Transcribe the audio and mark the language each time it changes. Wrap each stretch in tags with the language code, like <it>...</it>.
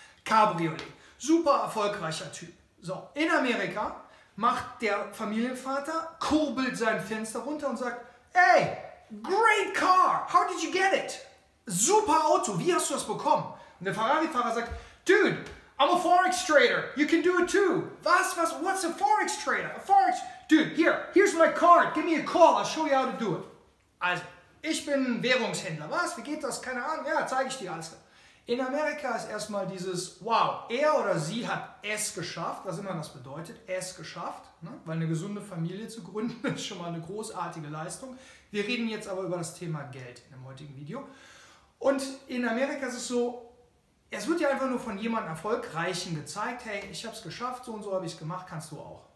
<de>Cabriolet, super erfolgreicher Typ. So, in Amerika macht der Familienvater, kurbelt sein Fenster runter und sagt,</de> <en>hey, great car, how did you get it?</en> <de>Super Auto, wie hast du das bekommen? Und der Ferrari-Fahrer sagt,</de> <en>dude, I'm a Forex Trader, you can do it too.</en> <de>Was, was,</de> <en>what's a Forex Trader? A Forex, dude, here, here's my card, give me a call, I'll show you how to do it.</en> <de>Also, ich bin Währungshändler, was, wie geht das, keine Ahnung, ja, zeige ich dir alles. In Amerika ist erstmal dieses, wow, er oder sie hat es geschafft, was immer das bedeutet, es geschafft, ne? Weil eine gesunde Familie zu gründen ist schon mal eine großartige Leistung. Wir reden jetzt aber über das Thema Geld in dem heutigen Video. Und in Amerika ist es so, es wird ja einfach nur von jemandem Erfolgreichen gezeigt, hey, ich habe es geschafft, so und so habe ich es gemacht, kannst du auch.</de>